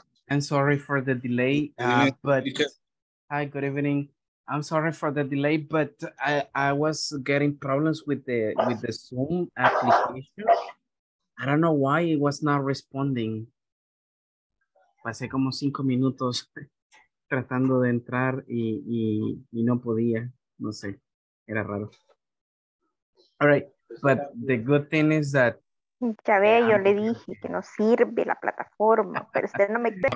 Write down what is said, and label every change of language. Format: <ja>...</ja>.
<en>I'm sorry for the delay, but hi, good evening. I'm sorry for the delay, but I was getting problems with the Zoom application. I don't know why it was not responding.</en> <es>Pasé como 5 minutos tratando de entrar y no podía. No sé, era raro.</es> <en>All right, but the good thing is that...</en> <es>Ya ve, yo le dije que no sirve la plataforma, pero usted no me...</es>